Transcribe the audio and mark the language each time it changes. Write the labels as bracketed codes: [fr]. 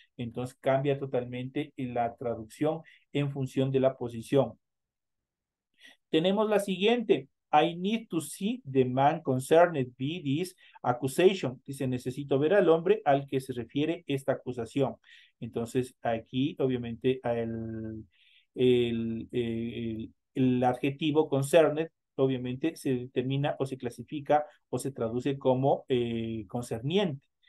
[es] Entonces cambia totalmente la traducción en función de la posición. Tenemos la siguiente. [en] I need to see the man concerned by this accusation. [es] Dice, necesito ver al hombre al que se refiere esta acusación. Entonces aquí, obviamente, el adjetivo concerned obviamente se determina o se clasifica o se traduce como concerniente.